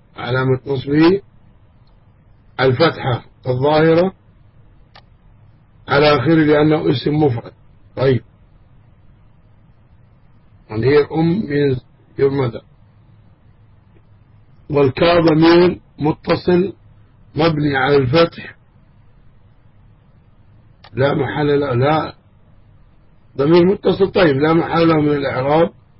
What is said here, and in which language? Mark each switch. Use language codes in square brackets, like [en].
[ar] علامة نصبه الفتحة الظاهرة على آخره لأنه اسم مفرد. طيب. [en] And here أم means your mother. [ar] والكاظم مين متصل مبني على الفتح. لا محل له. لا. ضمير متصل طيب لا محل له من الإعراب.